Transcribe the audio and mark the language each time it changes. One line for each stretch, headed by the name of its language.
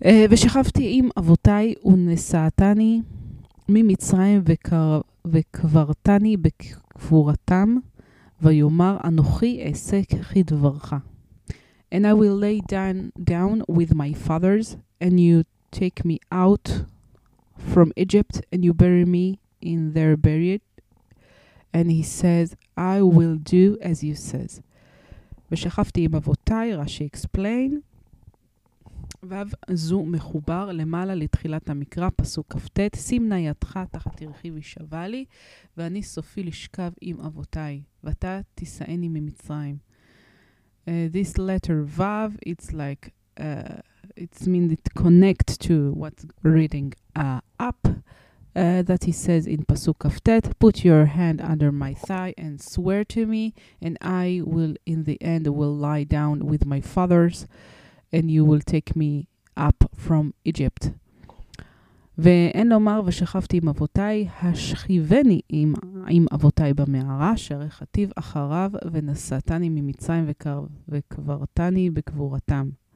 Hebrew: ושכבתי עם אבותיי ונשאתני ממצרים וקברתני בקבורתם ויאמר אנוכי אעשה כדברך.
English: And I will lay down with my fathers, and you take me out from Egypt, and you bury me in their burial. And he says, I will do as you says.
Hebrew: ושכבתי עם אבותיי, רש"י
English: explain.
Hebrew: וו זו מחובר למעלה לתחילת המקרא, פסוק כ"ט, שים נייתך תחת ירחי וישבה לי, ואני סופי לשכב עם אבותיי, ואתה תישאני ממצרים.
English: This letter Vav, it's like it's mean it connect to what's reading up that he says in Pasuk Kaf Tet, put your hand under my thigh and swear to me, and I will in the end will lie down with my fathers, and you will take me up from Egypt.
Hebrew: ואין לומר ושכבתי עם אבותיי, השכיבני עם אבותיי במערה, שרחתיו אחריו ונשאתני ממצרים וקברתני בקבורתם.